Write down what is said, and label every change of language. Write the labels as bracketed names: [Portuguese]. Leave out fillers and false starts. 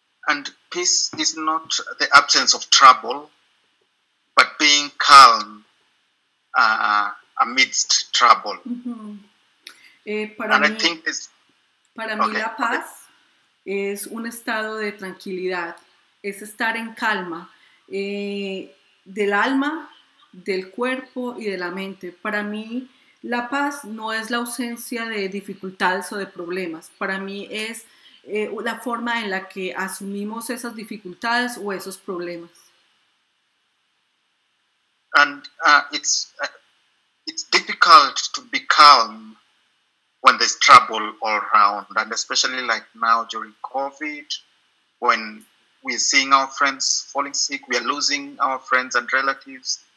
[English] And peace is not the absence of trouble, but being calm amidst trouble. Mm-hmm. I think it's... [Spanish] Para mí la paz es un estado de tranquilidad, es estar en calma del alma, del cuerpo y de la mente. Para mí La paz no es la ausencia de dificultades o de problemas. Para mí es la forma en la que asumimos esas dificultades o esos problemas. [English] And it's difficult to be calm when there's trouble all around, and especially like now during COVID, when we're seeing our friends falling sick, we are losing our friends and relatives.